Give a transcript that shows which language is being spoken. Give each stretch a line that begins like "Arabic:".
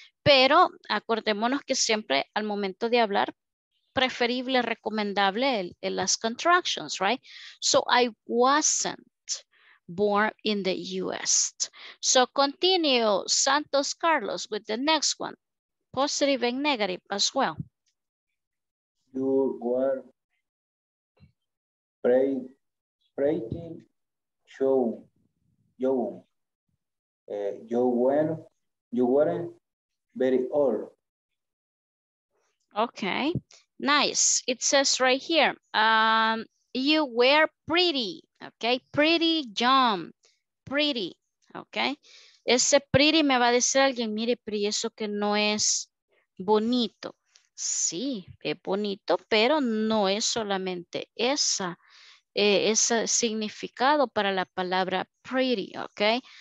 Spanish: Pero acordémonos que siempre al momento de hablar, preferible, recomendable en las
English: contractions, right? So I wasn't born in the US. So continue, Santos Carlos, with the next one. Positive and negative as well. You were pretty young. You weren't. Very old. Okay, nice. It says right here, you were pretty, okay? Pretty young, pretty, okay?
Spanish: Ese pretty me va a decir alguien, mire, pero eso que no es bonito. Sí, es bonito, pero no es solamente esa ese significado para la palabra pretty, ¿ok?